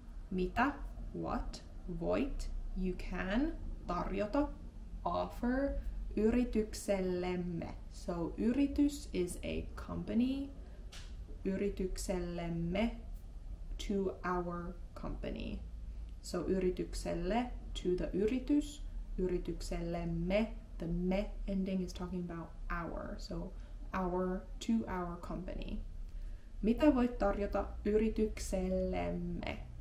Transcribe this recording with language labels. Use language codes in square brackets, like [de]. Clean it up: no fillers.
[fi] Mitä, [en] what, [fi] voit, [en] you can, [fi] tarjota, [en] offer, [fi] yrityksellemme. [en] So, yritys is a company, yrityksellemme, to our company. So, yritykselle, to the yritys, yrityksellemme. The me ending is talking about our, so our, to our company. [fi] Mitä voit tarjota yrityksellemme?